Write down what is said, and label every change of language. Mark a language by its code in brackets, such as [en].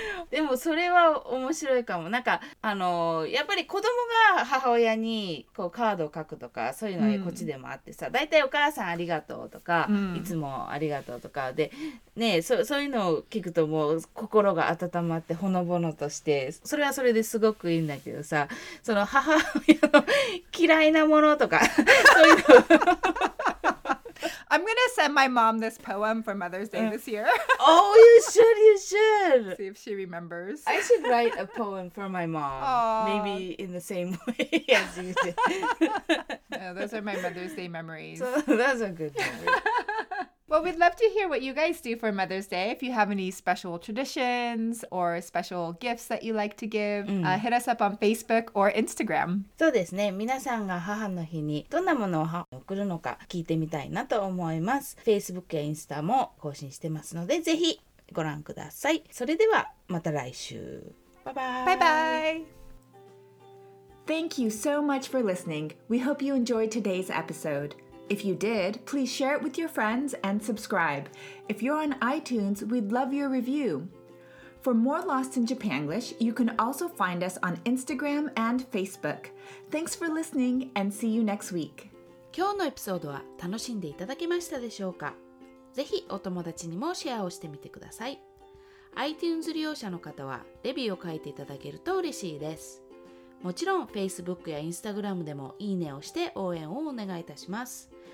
[ja] でもそれは面白いかも。なんか、やっぱり子供が母親にこうカードを書くとか、そういうのはこっちでもあってさ、だいたいお母さんありがとうとか、いつもありがとうとかで、ね、そういうのを聞くともう心が温まってほのぼのとして、それはそれですごくいいんだけどさ、その母親の嫌いなものとか、そういうの。 [en] I'm going to send my mom this poem for Mother's Day this year. Oh, you should. See if she remembers. I should write a poem for my mom. Aww. Maybe in the same way as you did. No, those are my Mother's Day memories. So, those are good memories. Well, we'd love to hear what you guys do for Mother's Day. If you have any special traditions or special gifts that you like to give, hit us up on Facebook or Instagram. [ja] そうですね。皆さんが母の日にどんなものを贈るのか聞いてみたいなと思います。 Facebook やインスタも更新してますので、ぜひご覧ください。それではまた来週。バイバイ。バイバイ。 [en] Thank you so much for listening. We hope you enjoyed today's episode. If you did, please share it with your friends and subscribe. If you're on iTunes, we'd love your review. For more Lost in Japanglish, you can also find us on Instagram and Facebook. Thanks for listening and see you next week. [ja] 今日のエピソードは楽しんでいただけましたでしょうか?ぜひお友達にもシェアをしてみてください。 iTunes 利用者の方はレビューを書いていただけると嬉しいです。もちろん Facebook や Instagram でもいいねをして応援をお願いいたします。